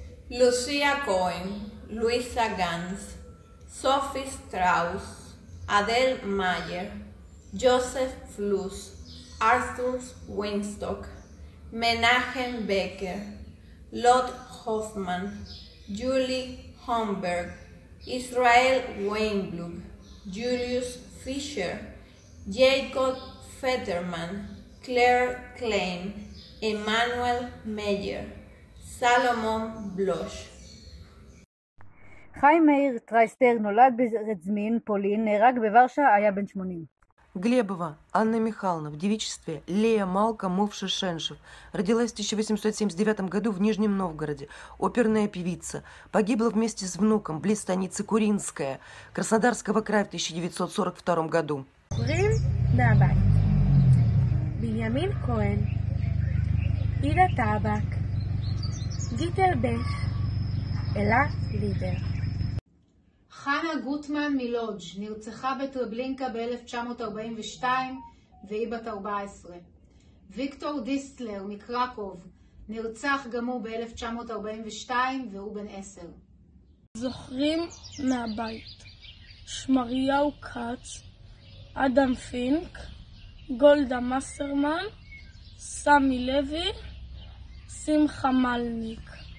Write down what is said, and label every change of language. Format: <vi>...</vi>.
<he>Lucia Cohen, Luisa Ganz, Sophie Strauss, Adele Meyer, Joseph Fluss, Arthur Winstock, Menachem Becker, Lot Hoffman, Julie Homberg, Israel Weinblum, Julius Fischer, Jacob F. Federman, Claire Klein, Emmanuel Meyer, Salomon Bloch. חיים מאיר טרייסטר נולד ברדזמין, פולין, נהרג בוורשה, היה בן 80.</he> <ru>Глебова Анна Михайловна, в девичестве Лея Малка Мовша-Шеншев, родилась в 1879 году в Нижнем Новгороде, оперная певица, погибла вместе с внуком близ станицы Куринская, Краснодарского края в 1942 году. Грин Набак, Биньямин Коэн, Ида Табак, Гительбех, Эла Либер.</ru> <he>חנה גוטמן מלודג' נרצחה בטרבלינקה ב-1942 והיא בת 14. ויקטור דיסטלר מקרקוב נרצח גם הוא ב-1942 והוא בן 10. זוכרים מהבית שמריהו קאץ, אדם פינק, גולדה מסרמן, סמי לוי, שמחה מלניק.</he>